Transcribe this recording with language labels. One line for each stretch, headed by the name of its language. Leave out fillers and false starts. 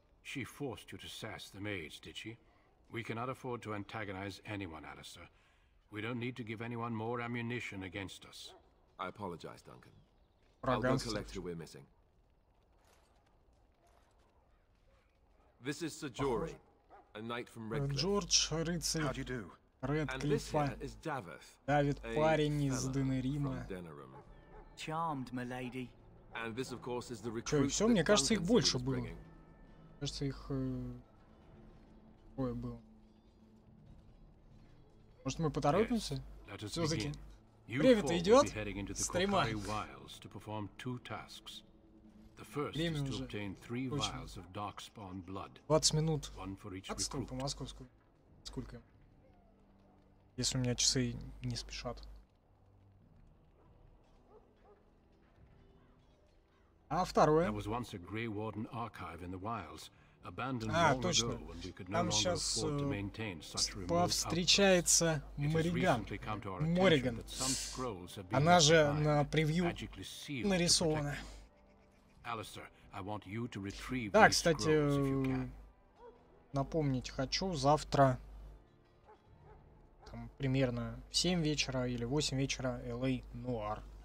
English: She forced you to sass the mage, did she? We cannot afford to antagonize anyone, Alistair. We don't need to give anyone more ammunition against us. I apologize, Duncan. I'll go collect who we're missing. This is Sir Jory, a knight from Redcliffe.
Russian: George, рыцарь.
English: How do you do? Redcliffe. And this is Davith.
Russian: Давид, парень из Денерима.
English: Charmed, my lady. And this, of course, is the recruit.
Russian: Все, мне кажется, их больше было. Кажется, их двое было. Может, мы поторопимся? Все-таки. Время идет. Стрима. Время уже. Точно. 20 минут. Отступ по московскому. Сколько? Если у меня часы не спешат. А второе?
English: There was once a Grey Warden archive in the wilds, abandoned long ago, and we could no longer afford to maintain such remote outposts.
Russian: Повстречается Морриган. Морриган. Она же на превью нарисована.
English: Alistair, I want you to retrieve.
Russian: Да, кстати, напомнить хочу завтра, там, примерно в 7 вечера или 8 вечера LA Noir.